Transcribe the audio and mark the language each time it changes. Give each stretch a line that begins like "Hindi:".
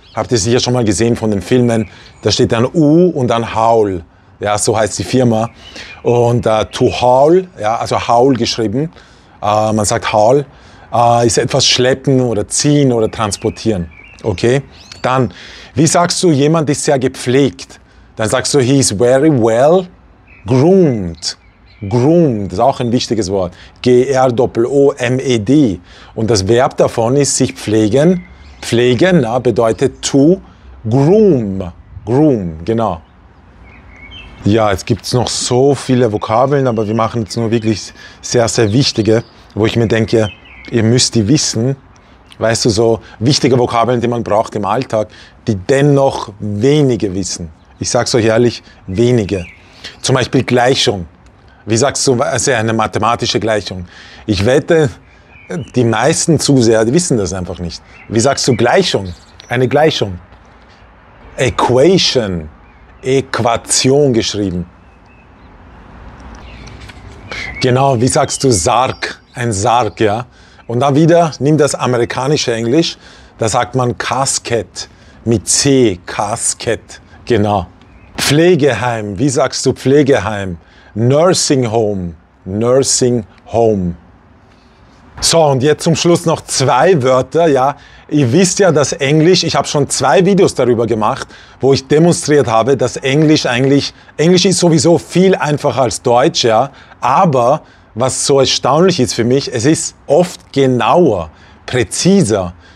German: Habt ihr sicher schon mal gesehen von den Filmen. Da steht dann U und dann Haul. Ja, so heißt die Firma. Und to haul, ja, also Haul geschrieben, man sagt Haul, ist etwas schleppen oder ziehen oder transportieren. Okay, dann, wie sagst du, jemand ist sehr gepflegt?
English: Dann sagst du, he is very well groomed.
German: Groomed ist auch ein wichtiges Wort. G-R-O-O-M-E-D. Und das Verb davon ist sich pflegen. Pflegen, na, bedeutet to groom. Groom, genau. Ja, jetzt gibt es noch so viele Vokabeln, aber wir machen jetzt nur wirklich sehr, sehr wichtige, wo ich mir denke, ihr müsst die wissen. Weißt du, so wichtige Vokabeln, die man braucht im Alltag, die dennoch wenige wissen. Ich sag's euch ehrlich, wenige. Zum Beispiel Gleichung. Wie sagst du, also eine mathematische Gleichung? Ich wette, die meisten Zuseher, die wissen das einfach nicht. Wie sagst du Gleichung? Eine Gleichung. Equation. Equation geschrieben. Genau, wie sagst du Sarg? Ein Sarg, ja? Und dann wieder, nimm das amerikanische Englisch, da sagt man Casket mit C, Casket, genau. Pflegeheim, wie sagst du Pflegeheim?
English: Nursing Home, Nursing Home.
German: So, und jetzt zum Schluss noch zwei Wörter, ja. Ihr wisst ja, dass Englisch, ich habe schon zwei Videos darüber gemacht, wo ich demonstriert habe, dass Englisch eigentlich, Englisch ist sowieso viel einfacher als Deutsch, ja, aber was so erstaunlich ist für mich, es ist oft genauer, präziser.